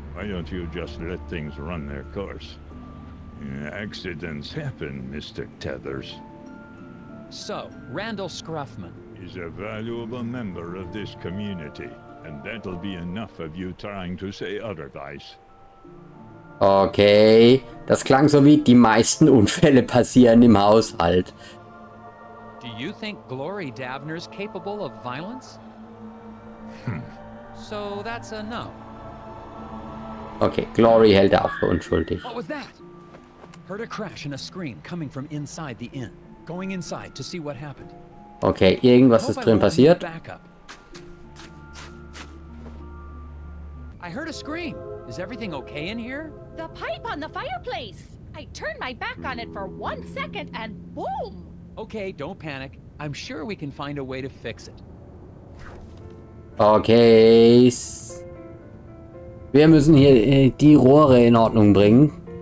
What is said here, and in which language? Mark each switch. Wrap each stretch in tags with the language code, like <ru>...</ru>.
<en>Why don't you just let things run their course? Accidents happen, Mr. Tethers. So, Randall Scruffman. He's a valuable member of this community, and that'll be enough of you trying to say otherwise.</en> <de>Okay, das klang so wie die meisten Unfälle passieren im Haushalt.</de> <en>Do you think Glory Davner's capable of violence? So that's a no.</en> <de>Okay, Glory hält er auch für unschuldig.</de> <en>What was that? Heard a crash and a scream coming from inside the inn. Going inside to see what happened.</en> <de>Okay, irgendwas ist drin passiert.</de> <en>I heard a scream. Is everything okay in here? The pipe on the fireplace. I turned my back on it for 1 second and boom. Okay, don't panic. I'm sure we can find a way to fix it. Okay.</en> <de>Wir müssen hier die Rohre in Ordnung bringen.</de>